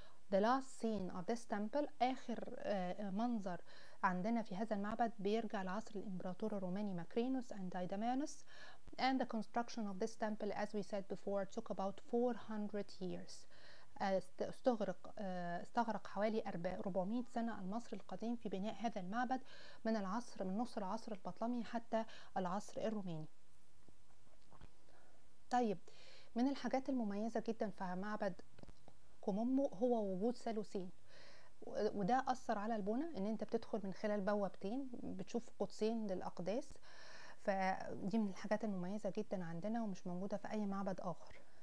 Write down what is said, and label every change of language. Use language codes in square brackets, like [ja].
[en] The last scene of this temple, [ar] آخر منظر عندنا في هذا المعبد بيرجع لعصر الإمبراطور الروماني ماكرينوس and دايدامانوس. [en] And the construction of this temple, as we said before, took about 400 years. [ar] استغرق حوالي 400 سنة المصري القديم في بناء هذا المعبد من العصر من نص العصر البطلمي حتى العصر الروماني. طيب، من الحاجات المميزة جدا في معبد كومومو هو وجود ثالوثين، وده أثر على البناء ان انت بتدخل من خلال بوابتين بتشوف قدسين للأقداس، فدي من الحاجات المميزة جدا عندنا ومش موجودة في أي معبد آخر.